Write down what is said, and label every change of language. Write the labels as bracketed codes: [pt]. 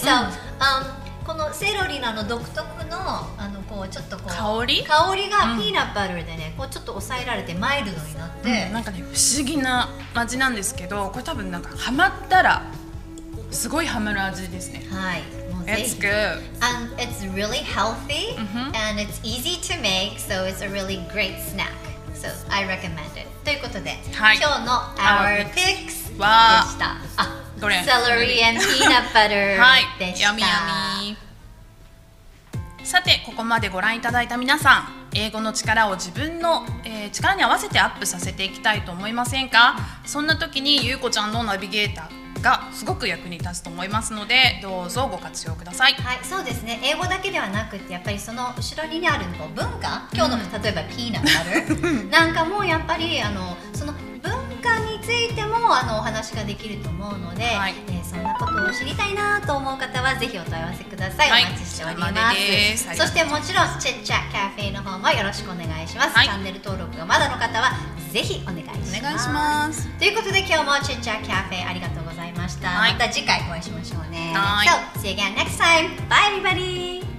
[ja] So, このセロリのあの独特のあのこうちょっとこう香り、香りがピーナッツバターでね、こうちょっと抑えられてマイルドになって、うん、なんかね不思議な味なんですけど、これ多分なんかハマったらすごいハマる味ですね。はい。 [en] It's good. And it's really healthy、mm-hmm. and it's easy to make, so it's a really great snack. So, I recommend it. [ja] ということで、はい、今日の Our Picks はでした。あ、これ。 [en] Celery and Peanut Butter 、 [ja] はい、でした。やみやみ。さて、ここまでご覧いただいた皆さん、英語の力を自分の、力に合わせてアップさせていきたいと思いませんか？そんな時に、ゆうこちゃんのナビゲーターがすごく役に立つと思いますので、どうぞご活用ください。はい、そうですね、英語だけではなくてやっぱりその後ろにある文化、今日の、うん、例えばピーナッツバターなんかもやっぱりあのその文化についてもあのお話ができると思うので、はい、そんなことを知りたいなと思う方はぜひお問い合わせください、はい、お待ちしております。までです。そしてもちろんチェッチャーカフェの方もよろしくお願いします、はい、チャンネル登録がまだの方はぜひお願いします。お願いします。ということで今日もチェッチャーカフェありがとうございました。また次回お会いしましょうね。はい、 [en] So, see you again next time. Bye everybody.